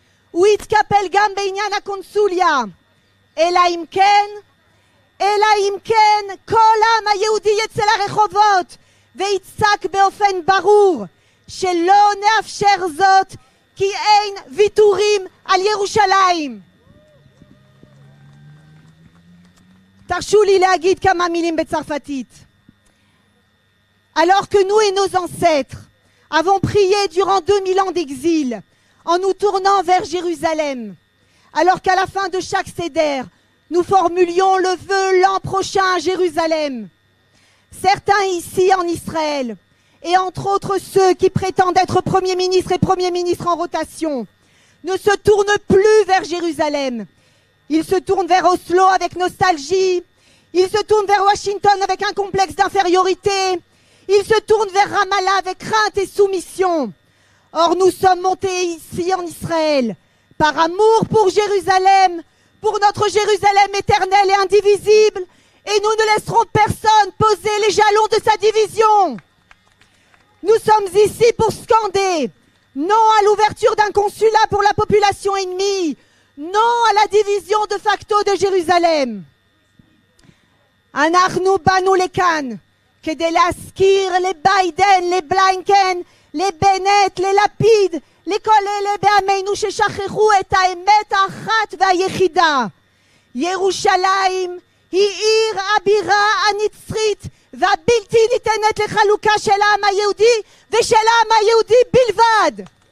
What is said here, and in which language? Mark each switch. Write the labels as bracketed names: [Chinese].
[Hebrew] הוא התקפל גם בעניין הקונסוליה. אלא אם כן כל העם היהודי יצא לרחובות ויצעק באופן ברור שלא נאפשר זאת, כי אין ויתורים על ירושלים. תרשו לי להגיד כמה מילים בצרפתית. [French] Alors que nous et nos ancêtres avons prié durant 2000 ans d'exil en nous tournant vers Jérusalem, alors qu'à la fin de chaque seder, nous formulions le vœu l'an prochain à Jérusalem. Certains ici en Israël, et entre autres ceux qui prétendent être Premier ministre et Premier ministre en rotation, ne se tournent plus vers Jérusalem. Ils se tournent vers Oslo avec nostalgie, ils se tournent vers Washington avec un complexe d'infériorité, ils se tournent vers Ramallah avec crainte et soumission. Or, nous sommes montés ici en Israël par amour pour Jérusalem, pour notre Jérusalem éternelle et indivisible, et nous ne laisserons personne poser les jalons de sa division. Nous sommes ici pour scander non à l'ouverture d'un consulat pour la population ennemie, non à la division de facto de Jérusalem. [Hebrew] Anachnu banu lekan כדי להזכיר לביידן, לבלינקן, לבנט, ללפיד, לכל אלה בעמנו ששכחו את האמת האחת והיחידה. ירושלים היא עיר הבירה הנצרית והבלתי ניתנת לחלוקה של העם היהודי ושל העם היהודי בלבד.